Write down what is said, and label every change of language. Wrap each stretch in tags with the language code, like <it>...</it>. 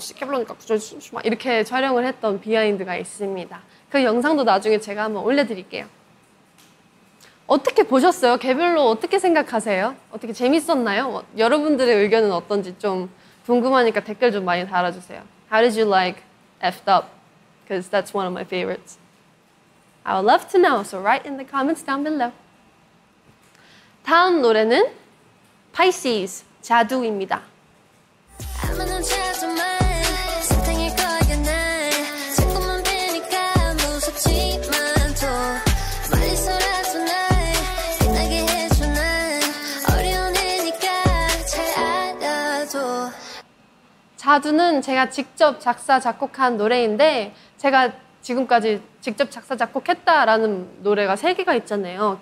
<ko>쓰게 부르니까 그러지 마. 이렇게 촬영을 했던 비하인드가 있습니다. 그 영상도 나중에 제가 한번 올려드릴게요. 어떻게 보셨어요? 개별로 어떻게 생각하세요? 어떻게 재밌었나요? 여러분들의 의견은 어떤지 좀 궁금하니까 댓글 좀 많이 달아주세요.</ko> <en>How did you like F'd Up? Because that's one of my favorites. I would love to know, so write in the comments down below.</en> <ko>다음 노래는 Pisces, 자두입니다. 아무도 찾아 마 사탕일 거야 날 자꾸만 뵈니까 무섭지만 또 멀리 서라도 날 빛나게 해줘 난 어려운 애니까 잘 알아줘 자두는 제가 직접 작사, 작곡한 노래인데 제가 지금까지 직접 작사 작곡했다라는 노래가 세 개가 있잖아요.</ko>